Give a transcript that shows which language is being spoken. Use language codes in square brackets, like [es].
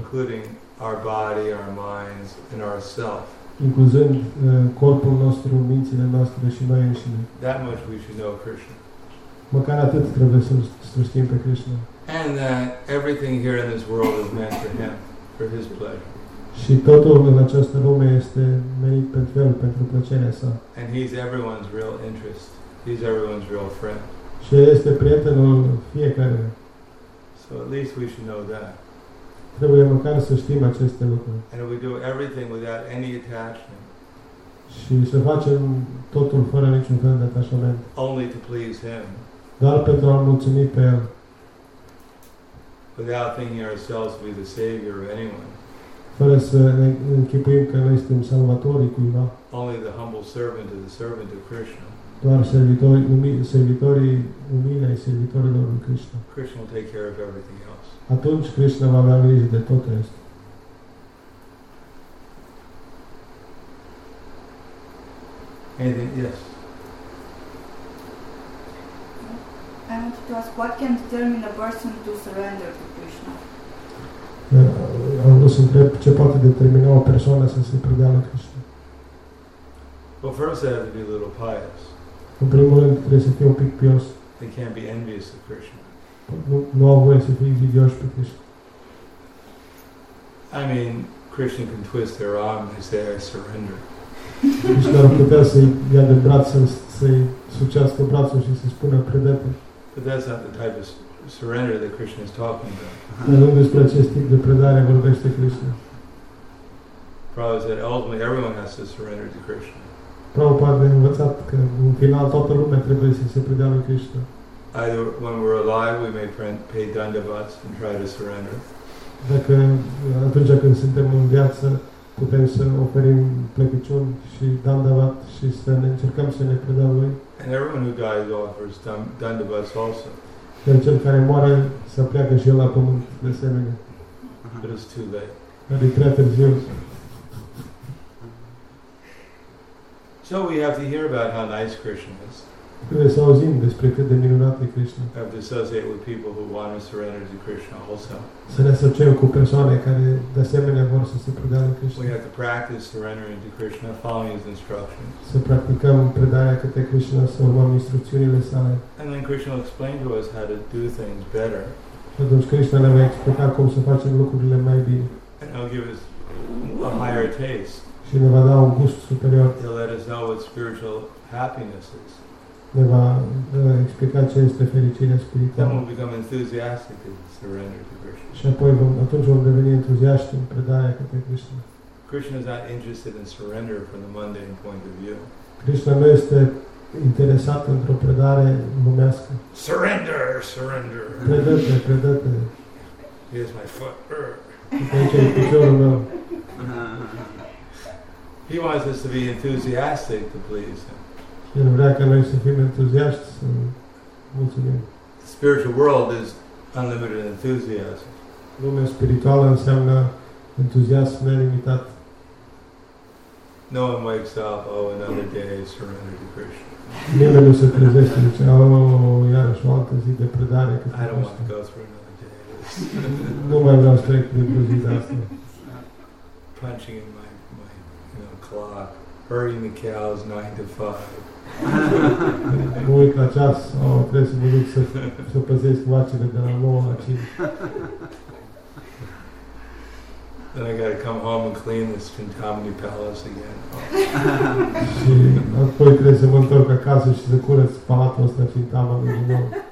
[en] Including our body, our minds, and our self. [ro] Incluzând corpul nostru, mințile noastre și noi înșine. [en] That much we should know Krishna. [ro] Măcar atât trebuie să, să știm pe Krishna. [en] And that everything here in this world is meant for Him, for His pleasure. [ro] Și totul în această lume este menit pentru El, pentru plăcerea Sa. [en] And He's everyone's real interest. He's everyone's real friend. [ro] Și este prietenul fiecare. [en] So at least we should know that. [ro] Trebuie măcar să știm aceste lucruri. [en] And if we do everything without any attachment. [ro] Și să facem totul fără niciun fel de atașament. [en] Only to please Him. [ro] Doar pentru a-L mulțumi pe El. [en] Without thinking ourselves to be the savior of anyone. [ro] Fără să ne închipuim că noi suntem salvatorii cuiva. [en] Only the humble servant is the servant of Krishna. [ro] Doar servitorii umile ai servitorilor lui Krishna. [en] Krishna will take care of everything else. [ro] Atunci Krishna va avea grijă de tot rest. [en] Anything? Yes. I wanted to ask, what can determine a person to surrender to Krishna? [ro] Am vrut să întreb, ce poate determina o persoană să se predea la Krishna? [en] Well, first I have to be a little pious. [ro] În primul rând, trebuie să fie un pic pios. [en] They can't be envious of Krishna. [ro] Nu au voie să fie invidioși pe Krishna. [en] I mean, Krishna can twist their arm and say, I surrender. [ro] Krishna ar putea să-i ia de braț, să-i sucească brațul și să-i spună, predete. [en] But that's not the type of surrender that Krishna is talking about. [ro] Dar nu despre acest tip de predare vorbește Krishna. [en] Prabhupada said, ultimately, everyone has to surrender to Krishna. [ro] Prabhupada a învățat că în final toată lumea trebuie să se predea lui Krishna. [en] Either when we're alive, we may pay dandavats and try to surrender. [ro] Dacă atunci când suntem în viață, putem să oferim plecăciuni și dandavat și să ne încercăm să ne predăm lui. [en] And everyone who dies offers dandavats also. [ro] Dar cel care moare să pleacă și el la pământ de asemenea. [en] But it's too late. [ro] Dar e prea târziu. [en] So we have to hear about how nice Krishna is. [ro] Trebuie să auzim despre cât de minunat e Krishna. [en] We have to associate with people who want to surrender to Krishna also. [ro] Să ne asociem cu persoane care de asemenea vor să se predea lui Krishna. [en] We have to practice surrendering to Krishna, following His instructions. [ro] Să practicăm predarea către Krishna, să urmăm instrucțiunile sale. [en] And then Krishna will explain to us how to do things better. [ro] Și atunci Krishna ne va explica cum să facem lucrurile mai bine. [en] And He'll give us a higher taste. [ro] Și ne va da un gust superior. [en] He'll let us know what spiritual happiness is. [ro] Ne va explica ce este fericirea spirituală. [en] Then we'll become enthusiastic and surrender to Krishna. [ro] Și apoi atunci vom deveni entuziaști în predarea către Krishna. [en] Krishna is not interested in surrender from the mundane point of view. [ro] Krishna nu este interesat într-o predare lumească. [en] Surrender, surrender. [ro] Predă-te, predă-te. [en] Here's my foot. [ro] Aici e piciorul meu. [en] He wants us to be enthusiastic to please Him. [ro] El vrea ca noi să fim entuziaști să mulțumim. [en] The spiritual world is unlimited enthusiasm. [ro] Lumea spirituală înseamnă entuziasm nelimitat. [en] No one wakes up, oh, another day, surrender to Krishna. [ro] Nimeni nu se trezește, zice, oh, iarăși o altă zi de predare. [en] I don't want to go through another day. [ro] Nu mai vreau să trec de prăzit asta. [en] Punching in my clock, herding the cows 9 to 5. [ro] Nu uit la ceas, oh, trebuie să mă duc să, să păzesc vacile de la 9 la 5. [en] Then I gotta come home and clean this Chintamani palace again. [ro] Și apoi trebuie să mă întorc acasă și să curăț palatul ăsta Chintamani din nou.